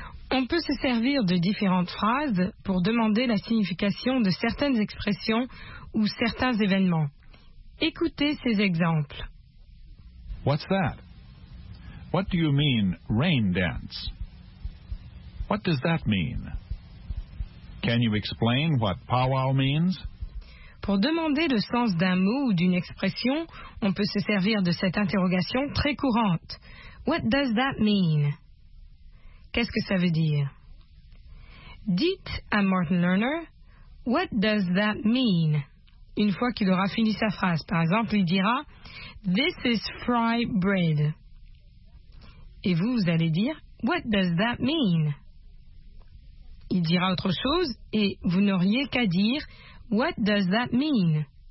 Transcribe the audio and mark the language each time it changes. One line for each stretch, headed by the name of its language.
French: On peut se servir de différentes phrases pour demander la signification de certaines expressions ou certains événements. Écoutez ces exemples.
English: What's that? What do you mean, rain dance? What does that mean? Can you explain what powwow means?
French: Pour demander le sens d'un mot ou d'une expression, on peut se servir de cette interrogation très courante.
English: What does that mean?
French: Qu'est-ce que ça veut dire? Dites à Martin Lerner,
English: what does that mean?
French: une fois qu'il aura fini sa phrase. Par exemple, il dira,
English: this is fried bread.
French: Et vous, vous allez dire,
English: what does that mean?
French: Il dira autre chose et vous n'auriez qu'à dire, what does that mean?